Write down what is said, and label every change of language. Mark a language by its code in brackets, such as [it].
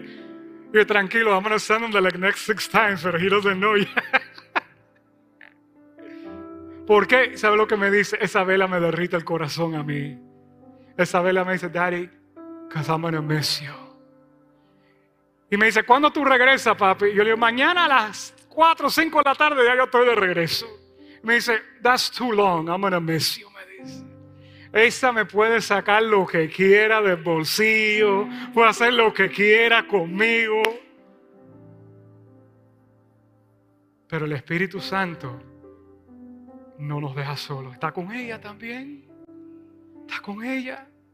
[es] Y yo, tranquilo, [en] I'm going to send him the like, next 6 times, but he doesn't know yet. [es] ¿Por qué? ¿Sabe lo que me dice? Esa Vela me derrite el corazón a mí. Esa Vela me dice, [en] Daddy, because I'm going to miss you. [es] Y me dice, ¿cuándo tú regresas, papi? Yo le digo, mañana a las 4 o 5 de la tarde ya yo estoy de regreso. Me dice, [en] that's too long, I'm going to miss you, [es] me dice. Esa me puede sacar lo que quiera del bolsillo, puede hacer lo que quiera conmigo. Pero el Espíritu Santo no nos deja solos. Está con ella también. Está con ella.